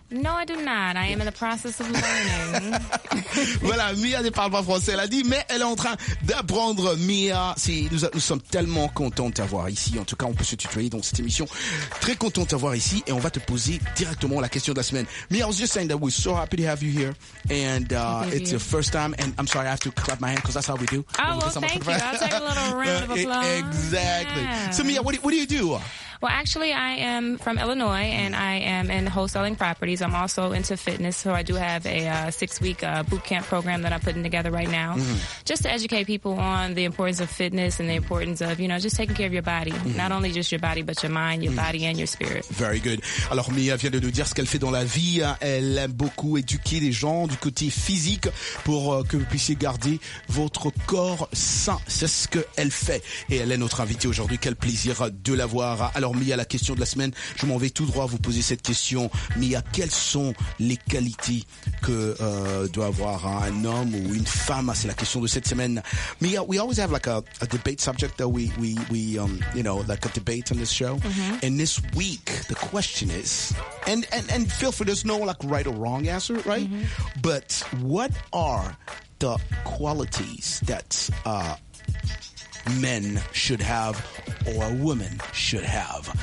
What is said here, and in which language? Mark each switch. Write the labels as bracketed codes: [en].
[en] No, I do not. I am in the process of learning. [fr] Voilà, Mia ne parle pas français, elle a dit, mais elle est en train d'apprendre. Mia, nous sommes tellement contents de t'avoir ici. En tout cas, on peut se tutoyer dans cette émission. Très content de t'avoir ici et on va te poser directement la question de la semaine. [en] Mia, I was just saying that we're so happy to have you here. And it's your first time. And I'm sorry, I have to clap my hand because that's how we do. Oh, well, thank you. I'll take a little round of applause. Exactly. Yeah. So, Mia, what do you do? Well, actually, I am from Illinois, and I am in wholesaling properties. I'm also into fitness, so I do have a 6-week boot camp program that I'm putting together right now, just to educate people on the importance of fitness and the importance of, you know, just taking care of your body. Mm-hmm. Not only just your body, but your mind, your body, and your spirit. Very good. [fr] Alors, Mia vient de nous dire ce qu'elle fait dans la vie. Elle aime beaucoup éduquer les gens du côté physique pour que vous puissiez garder votre corps sain. C'est ce qu'elle fait. Et elle est notre invitée aujourd'hui. Quel plaisir de l'avoir. Alors, Mia, la question de la semaine, je m'en vais tout droit vous poser cette question. Mia, quelles sont les qualités que doit avoir un homme ou une femme? C'est la question de cette semaine. [en] Mia, we always have like a debate subject that we you know, like a debate on this show. Mm-hmm. And this week, the question is, and feel free, there's no like right or wrong answer, right? Mm-hmm. But what are the qualities that men should have or a woman should have?